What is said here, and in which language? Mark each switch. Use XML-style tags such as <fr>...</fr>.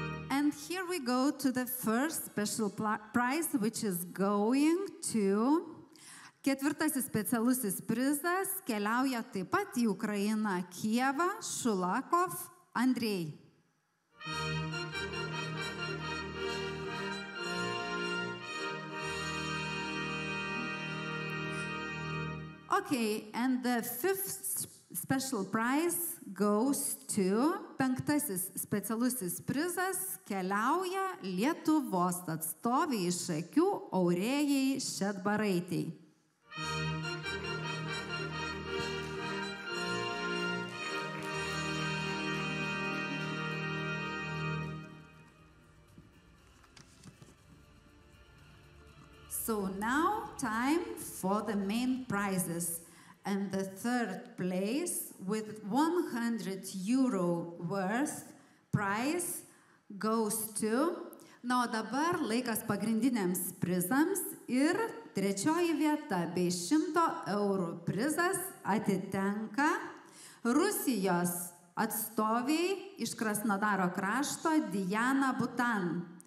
<en>And here we go to the first special prize, which is going to...</en> <lt>Ketvirtasis specialusis prizas keliauja taip pat į Ukrainą, Kijevą, Šulakov, Andrei.</lt> <en>Okay, and the fifth special prize goes to...</en> <lt>Penktasis specialusis prizas keliauja Lietuvos atstovei iš Šakių, Aurėjai Šedbaraitei.</lt> <en>So now time for the main prizes. And the third place with 100 euro worth prize goes to.</en> <lt>Na, o dabar laikas pagrindiniams prizams ir trečioji vieta bei 100 eurų prizas atitenka Rusijos atstoviai iš Krasnodaro krašto Diana Butan.</lt>